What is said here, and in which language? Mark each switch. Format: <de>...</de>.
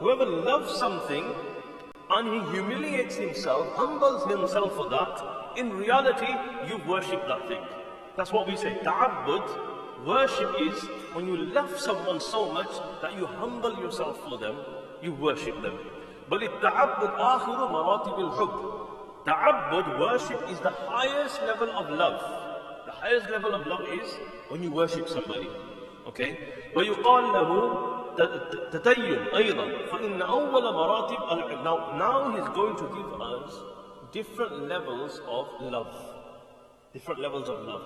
<en>Whoever loves something and he humiliates himself, humbles himself for that, in reality, you've worshipped that thing. That's what we say. تَعَبَّد, worship is when you love someone so much that you humble yourself for them, you worship them.</en> <ar>بَلِ التَعَبَّد آخِرُ مَرَاتِبِ الْحُبِّ.</ar> <en>تَعَبَّد, worship is the highest level of love. The highest level of love is when you worship somebody, okay?</en> <ar>وَيُقَالْ لَهُ تَتَيُّمْ أَيْضًا فَإِنَّ أَوَّلَ مَرَاتِبَ.</ar> <en>Now he's going to give us different levels of love. Different levels of love.</en>